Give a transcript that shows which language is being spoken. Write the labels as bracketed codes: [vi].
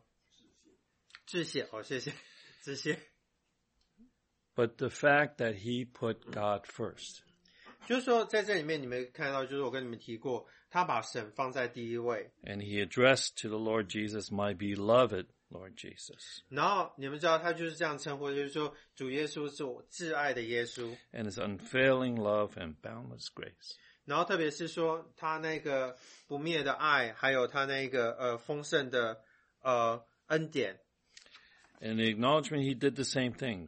[zh] 然后再就是回到这书前面的那些就是致谢，谢谢致谢。 [en] But the fact that he put God first. [zh] 就是说在这里面你们看到就是我跟你们提过，他把神放在第一位。 [en] And he addressed to the Lord Jesus, my beloved Lord Jesus. [zh] 然后你们知道他就是这样称呼，就是说主耶稣是我挚爱的耶稣。 [en] And his unfailing love and boundless grace. [zh] 然后特别是说他那个不灭的爱，还有他那个丰盛的恩典。 [en] In the acknowledgement, he did the same thing.